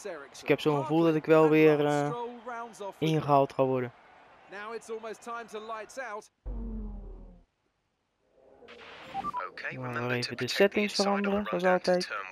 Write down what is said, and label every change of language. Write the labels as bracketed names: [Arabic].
[Dutch] Dus ik heb zo'n gevoel dat ik wel weer ingehaald ga worden. [English] Now it's almost time to lights out. [Dutch] Oké, we gaan even de settings veranderen, zoals altijd.